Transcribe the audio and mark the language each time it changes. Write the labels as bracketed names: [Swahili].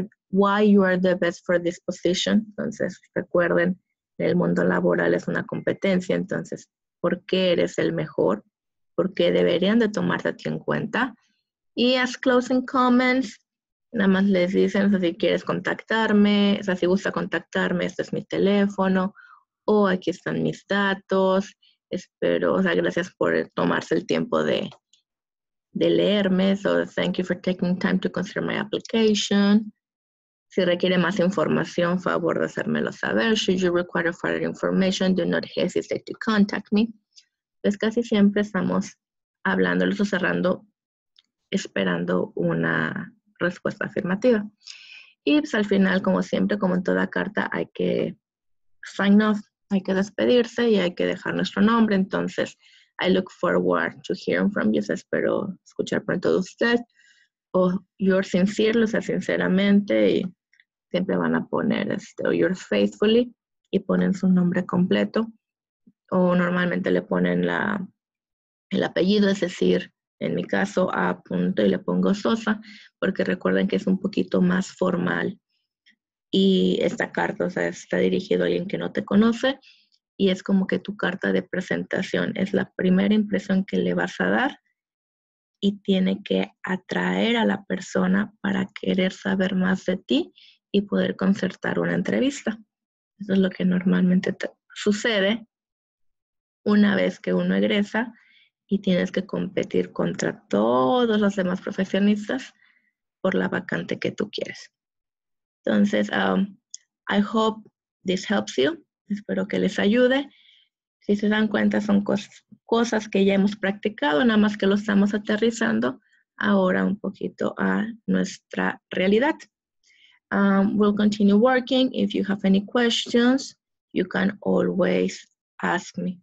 [English] Why you are the best for this position? [Spanish] Entonces, recuerden, el mundo laboral es una competencia, entonces, ¿por qué eres el mejor? ¿Por qué deberían de tomarte a ti en cuenta? Y [English] as closing comments, [Spanish] nada más les dicen, o sea, si quieres contactarme, o sea, si gusta contactarme, este es mi teléfono, o aquí están mis datos, espero, o sea, gracias por tomarse el tiempo de leerme, [English] so thank you for taking time to consider my application. [Spanish] Si requiere más información, favor de hacérmelo saber. [English] Should you require further information, do not hesitate to contact me. [Spanish] Pues casi siempre estamos hablándoles o cerrando, esperando una respuesta afirmativa. Y pues al final, como siempre, como en toda carta, hay que [English] sign off, [Spanish] hay que despedirse y hay que dejar nuestro nombre. [English] Entonces, I look forward to hearing from you. [Spanish] Espero escuchar pronto de usted. O [English] you're sincerely, [Spanish] o sea, sinceramente, y siempre van a poner o [English] you're faithfully, [Spanish] y ponen su nombre completo. O normalmente le ponen el apellido, es decir, en mi caso, A punto, y le pongo Sosa, porque recuerden que es un poquito más formal. Y esta carta, o sea, está dirigida a alguien que no te conoce, y es como que tu carta de presentación es la primera impresión que le vas a dar y tiene que atraer a la persona para querer saber más de ti y poder concertar una entrevista. Eso es lo que normalmente sucede una vez que uno egresa y tienes que competir contra todos los demás profesionistas por la vacante que tú quieres. [English] Entonces, I hope this helps you. [Spanish] Espero que les ayude. Si se dan cuenta, son cosas que ya hemos practicado, nada más que lo estamos aterrizando ahora un poquito a nuestra realidad. [English] We'll continue working. If you have any questions, you can always ask me.